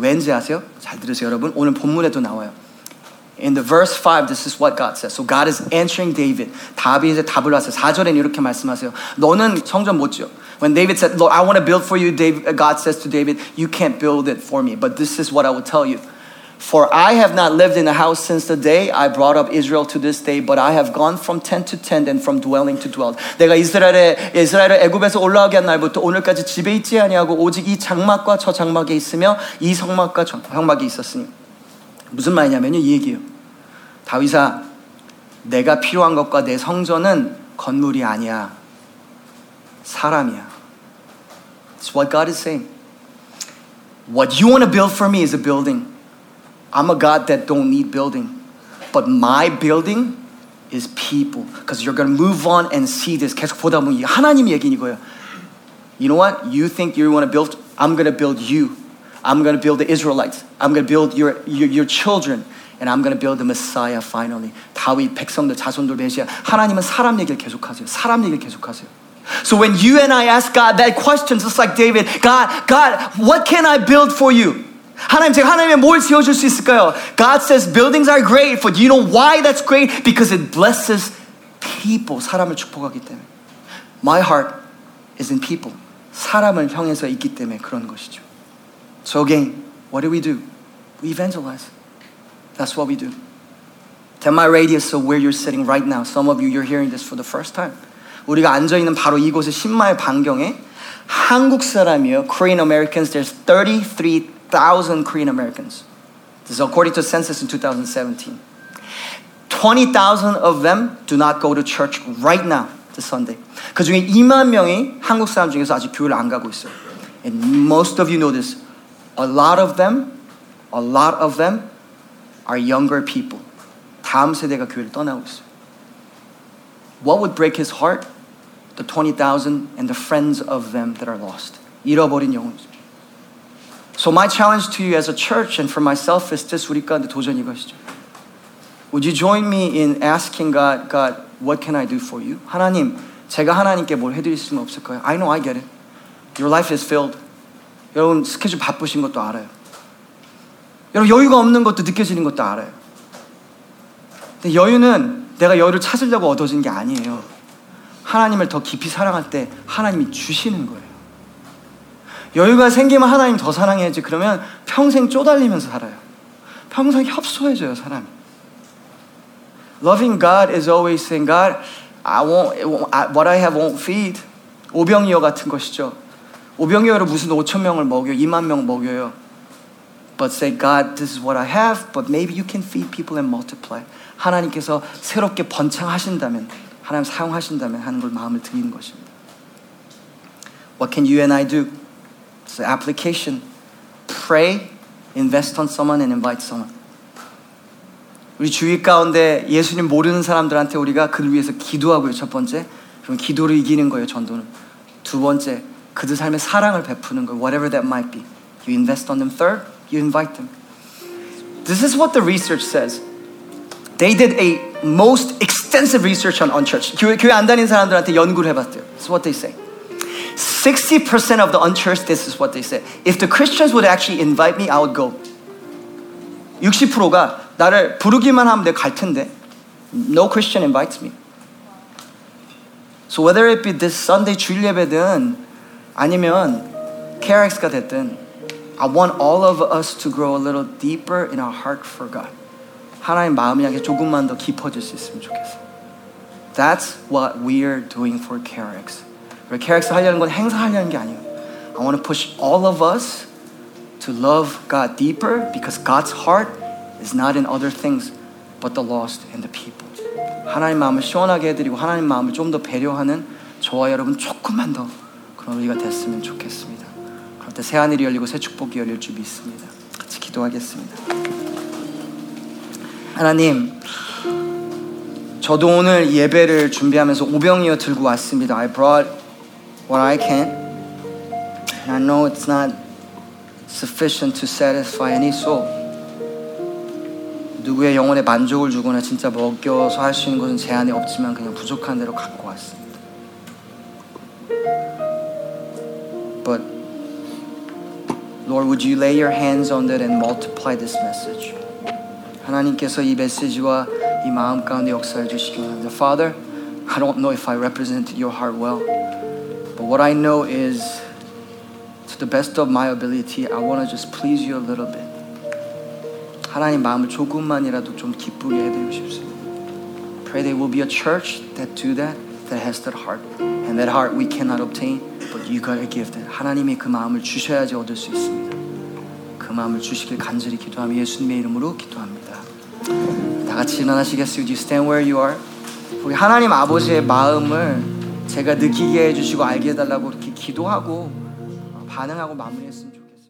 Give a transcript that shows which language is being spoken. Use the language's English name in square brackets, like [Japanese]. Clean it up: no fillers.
[Korean] 왠지 아세요? 잘 들으세요 여러분. 오늘 본문에도 나와요. [English] In the verse 5, this is what God says. So God is answering David. [Korean] 답이 이제 답을 왔어요. 4절에는 이렇게 말씀하세요. 너는 성전 못 지어. [English] When David said, Lord, I want to build for you, God says to David, you can't build it for me. But this is what I will tell you. For I have not lived in a house since the day I brought up Israel to this day, but I have gone from tent to tent and from dwelling to dwelling. [Korean] 내가 이스라엘을 애굽에서 올라오게 한 날부터 오늘까지 집에 있지 아니하고 오직 이 장막과 저 장막에 있으며 이 성막과 저 성막에 있었으니. 무슨 말이냐면요, 이 얘기예요. 다윗아, 내가 필요한 것과 내 성전은 건물이 아니야. 사람이야. [English] It's what God is saying. What you want to build for me is a building. I'm a God that don't need building. But my building is people. Because you're going to move on and see this. [Korean] 계속 보다 보면 하나님 얘기인 거예요. [English] You know what? You think you want to build? I'm going to build you. I'm going to build the Israelites. I'm going to build your children. And I'm going to build the Messiah finally. [Korean] 다윗, 백성들, 자손들, 메시아. 하나님은 사람 얘기를 계속하세요. 사람 얘기를 계속하세요. [English] So when you and I ask God that question, just like David, God, what can I build for you? [Korean] 하나님, 제가 하나님의 뭘 지어줄 수 있을까요? [English] God says buildings are great, but you know why that's great? Because it blesses people, [Korean] 사람을 축복하기 때문에. [English] My heart is in people. [Korean] 사람을 향해서 있기 때문에 그런 것이죠. [English] So again, what do? We evangelize. That's what we do. 10 mile radius of where you're sitting right now. Some of you, you're hearing this for the first time. [Korean] 우리가 앉아있는 바로 이곳에 10마일 반경에 한국 사람이요. [English] Korean Americans, there's 33,000 Korean Americans. This is according to a census in 2017. 20,000 of them do not go to church right now, this Sunday. [Korean] 그 중에 2만 명이 한국 사람 중에서 아직 교회를 안 가고 있어요. [English] And most of you know this. A lot of them are younger people. [Korean] 다음 세대가 교회를 떠나고 있어요. [English] What would break his heart? The 20,000 and the friends of them that are lost. [Korean] 잃어버린 영혼. [English] So my challenge to you as a church and for myself is this [Korean] 우리 가운데 도전 이것이죠. [English] Would you join me in asking God, God, what can I do for you? [Korean] 하나님, 제가 하나님께 뭘 해드릴 수는 없을 거예요. [English] I know, I get it. Your life is filled. [Korean] 여러분, 스케줄 바쁘신 것도 알아요. 여러분, 여유가 없는 것도 느껴지는 것도 알아요. 근데 여유는 내가 여유를 찾으려고 얻어진 게 아니에요. 하나님을 더 깊이 사랑할 때 하나님이 주시는 거예요. 여유가 생기면 하나님 더 사랑해야지. 그러면 평생 쪼달리면서 살아요. 평생 협소해져요, 사람이. [English] Loving God is always saying, God, what I have won't feed. [Korean] 오병이어 같은 것이죠. 오병이어를 무슨 5천 명을 먹여, 2만 명 먹여요. [English] But say, God, this is what I have, but maybe you can feed people and multiply. [Korean] 하나님께서 새롭게 번창하신다면, 하나님 사용하신다면 하는 걸 마음을 드리는 것입니다. [English] What can you and I do? It's an application. Pray, invest on someone, and invite someone. [Korean] 우리 주위 가운데 예수님 모르는 사람들한테 우리가 그들 위해서 기도하고요, 첫 번째. 그럼 기도를 이기는 거예요, 전도는. 두 번째, 그들 삶에 사랑을 베푸는 거예요, [English] whatever that might be. You invest on them. Third, you invite them. This is what the research says. They did a most extensive research on church. [Korean] 교회 안 다니는 사람들한테 연구를 해봤대요. [English] This is what they say. 60% of the unchurched, this is what they said. If the Christians would actually invite me, I would go. [Korean] 60%가 나를 부르기만 하면 내가 갈 텐데. [English] No Christian invites me. So whether it be this Sunday [Korean] 주일 예배든 아니면 KRX가 됐든 [English] I want all of us to grow a little deeper in our heart for God. [Korean] 하나님 마음이 향해 조금만 더 깊어질 수 있으면 좋겠어. [English] That's what we're doing for KRX. [Korean] KRX 하려는 건 행사 하려는 게 아니에요. [English] I want to push all of us to love God deeper because God's heart is not in other things but the lost and the people. [Korean] 하나님 마음을 시원하게 해드리고 하나님 마음을 좀 더 배려하는 저와 여러분 조금만 더 그런 우리가 됐으면 좋겠습니다. 그럴 때 새하늘이 열리고 새 축복이 열릴 줄 믿습니다. 같이 기도하겠습니다. 하나님, 저도 오늘 예배를 준비하면서 오병이어 들고 왔습니다. [English] I brought what I can. And I know it's not sufficient to satisfy any soul. [Korean] 누구의 영혼에 만족을 주거나 진짜 먹여서 할 수 있는 것은 제한이 없지만 그냥 부족한 대로 갖고 왔습니다. [English] But Lord, would you lay your hands on it and multiply this message? [Korean] 하나님께서 이 메시지와 이 마음 가운데 역사해 주시기 바랍니다. [English] Father, I don't know if I represented your heart well. But what I know is, to the best of my ability, I want to just please you a little bit. [Korean] 하나님 마음을 조금만이라도 좀 기쁘게 해드리십시오. [English] Pray there will be a church that do that, that has that heart. And that heart we cannot obtain, but you gotta give that. [Korean] 하나님이 그 마음을 주셔야지 얻을 수 있습니다. 그 마음을 주시길 간절히 기도하며 예수님의 이름으로 기도합니다. 다 같이 일어나시겠어요? [English] Do you stand where you are? [Korean] 우리 하나님 아버지의 마음을 제가 느끼게 해주시고 알게 해달라고 이렇게 기도하고 반응하고 마무리했습니다.